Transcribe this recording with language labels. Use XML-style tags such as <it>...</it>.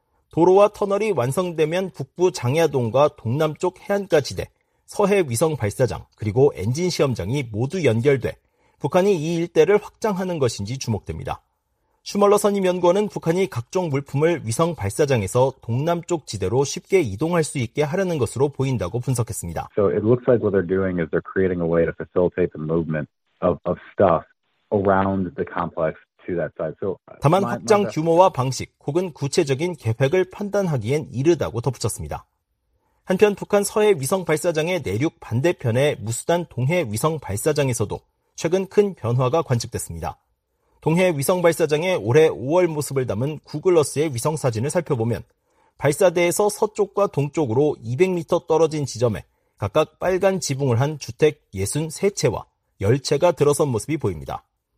<ko>도로와 터널이 완성되면 북부 장야동과 동남쪽 해안가 지대, 서해 위성 발사장 그리고 엔진 시험장이 모두 연결돼 북한이 이 일대를 확장하는 것인지 주목됩니다. 슈멀러 선임 연구원은 북한이 각종 물품을 위성 발사장에서 동남쪽 지대로 쉽게 이동할 수 있게 하려는 것으로 보인다고 분석했습니다.</ko> <en>So it looks like what they're doing is they're creating a way to facilitate the movement of stuff around the complex to that side. So</en> <ko>다만 확장 규모와 방식 혹은 구체적인 계획을 판단하기엔 이르다고 덧붙였습니다. 한편 북한 서해 위성 발사장의 내륙 반대편의 무수단 동해 위성 발사장에서도 최근 큰 변화가 관측됐습니다. 동해 위성 발사장의 올해 5월 모습을 담은 구글러스의 위성 사진을 살펴보면 발사대에서 서쪽과 동쪽으로 200m 떨어진 지점에 각각 빨간 지붕을 한 주택 63채와 10채가 들어선 모습이 보입니다.</ko>